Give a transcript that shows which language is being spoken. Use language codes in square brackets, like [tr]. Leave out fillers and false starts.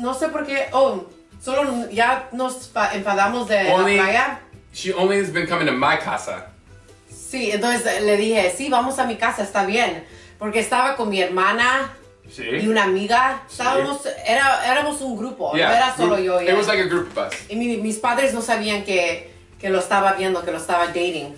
[es] No sé por qué, solo ya nos enfadamos de only, la playa. [en] She only has been coming to my casa. [es] Sí, entonces le dije, sí, vamos a mi casa, está bien. Porque estaba con mi hermana. Sí. Y una amiga. Estábamos, sí. Éramos un grupo, yeah. No era solo yo. [en] Yeah. It was like a group of us. [es] Y mis padres no sabían que lo estaba viendo, que lo estaba dating.